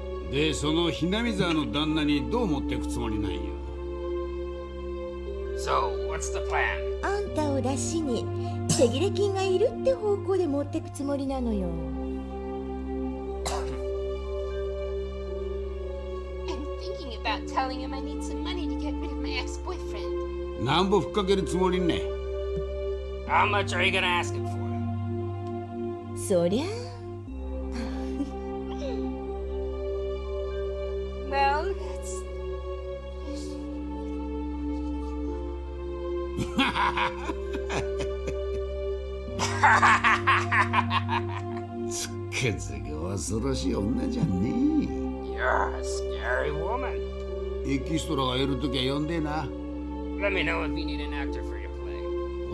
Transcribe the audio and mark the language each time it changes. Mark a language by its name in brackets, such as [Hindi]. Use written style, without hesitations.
[Japanese] で、その雛見沢の旦那にどう思ってくつもりないよ。 [English] So, what's the plan? [Japanese] あんたを出しに、手切れ金がいるって方向で持ってくつもりなのよ。 [English] I'm thinking about telling him I need some money to get rid of my ex-boyfriend. [Japanese] なんぼ吹っかけるつもりね。 [English] How much are you gonna ask him for? [Japanese] そりゃ。 [English] Well, that's... [Japanese] つけづけ恐ろしい女じゃねえ。 [English] You're a scary woman. [Japanese] エキストラがいるときは呼んでな。 [English] Let me know if you need an actor for your play.